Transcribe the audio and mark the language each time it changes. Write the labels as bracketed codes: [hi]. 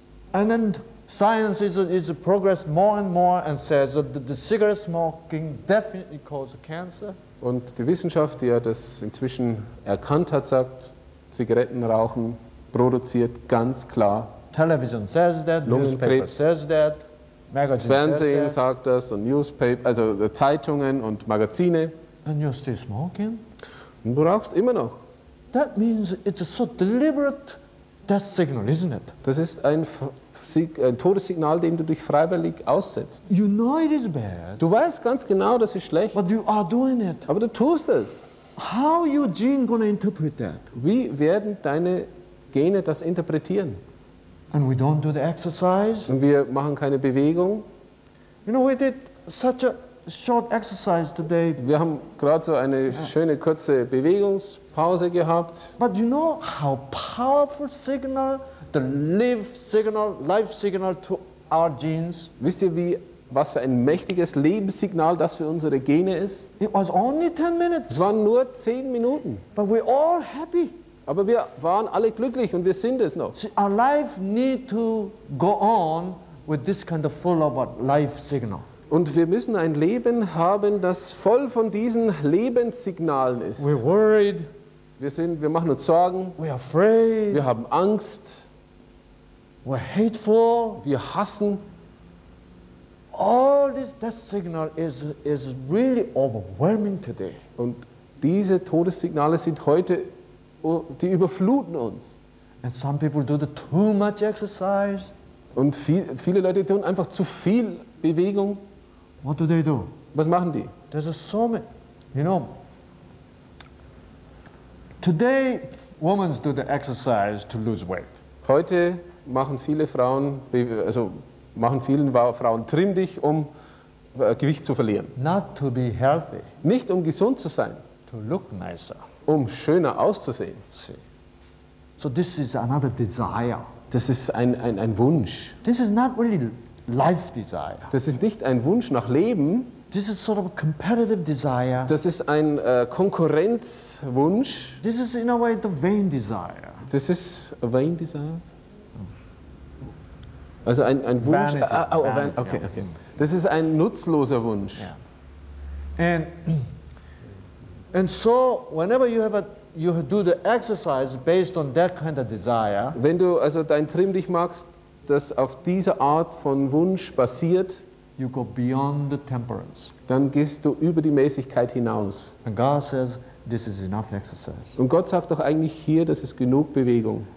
[en] And then science is progress more and more and says that the cigarette smoking definitely causes cancer. [de] Und die Wissenschaft, die ja das inzwischen erkannt hat, sagt, Zigarettenrauchen produziert ganz klar [en] Television says that, [de] Lungenkrebs. [en] Newspaper says that, magazine [de] Fernsehen [en] says that. [de] Sagt das und Newspaper, also Zeitungen und Magazine. [en] And you're still smoking? [de] Und du rauchst immer noch. [en] That means it's a so deliberate death signal, isn't it? [de] Das ist ein Todessignal, dem du dich freiwillig aussetzt. [en] You know it is bad. [de] Du weißt ganz genau, das ist schlecht. [en] But you are doing it. [de] Aber du tust es. [en] How your gene gonna interpret that? [de] Wie werden deine Gene das interpretieren? [en] And we don't do the exercise. [de] Und wir machen keine Bewegung. [en] You know, we did such a short exercise today. [de] Wir haben gerade so eine schöne kurze Bewegungspause gehabt. [en] But you know how powerful signal the life signal to our genes. [de] Wisst ihr, was für ein mächtiges Lebenssignal das für unsere Gene ist? [en] It was only 10 minutes. [de] Es waren nur 10 Minuten. [en] But we're all happy. [de] Aber wir waren alle glücklich und wir sind es noch. [en] See, our life need to go on with this kind of full of life signal. [de] Und wir müssen ein Leben haben, das voll von diesen Lebenssignalen ist. [en] We're worried. [de] Wir machen uns Sorgen. [en] We're afraid. [de] Wir haben Angst. [en] We're hateful. [de] Wir hassen. [en] All this death signal is really overwhelming today. [de] Und diese Todessignale sind heute, die überfluten uns. [en] And some people do too much exercise. [de] Und viele Leute tun einfach zu viel Bewegung. [en] What do they do? [de] Was machen die? [en] There's so many, you know. Today, women do the exercise to lose weight. [de] Heute machen viele Frauen, also machen vielen Frauen trimm dich, um Gewicht zu verlieren. [en] Not to be healthy. [de] Nicht um gesund zu sein. [en] To look nicer. [de] Um schöner auszusehen. [en] See. So this is another desire. [de] Das ist ein Wunsch. [en] This is not really life desire. [de] Das ist nicht ein Wunsch nach Leben. [en] This is sort of a competitive desire. [de] Das ist ein Konkurrenzwunsch. [en] This is in a way the vain desire. This is a vain desire. [de] Also ein Wunsch. [en] Vanity. Oh, vanity. [de] Okay, okay. Das ist ein nutzloser Wunsch. [en] Yeah. And so whenever you do the exercise based on that kind of desire. [de] Wenn du also dein Trim dich machst, das auf dieser Art von Wunsch basiert. [en] You go beyond the temperance. [de] Dann gehst du über die Mäßigkeit hinaus. [en] And God says, this is enough exercise. [de] Und Gott sagt doch eigentlich hier, das ist genug Bewegung.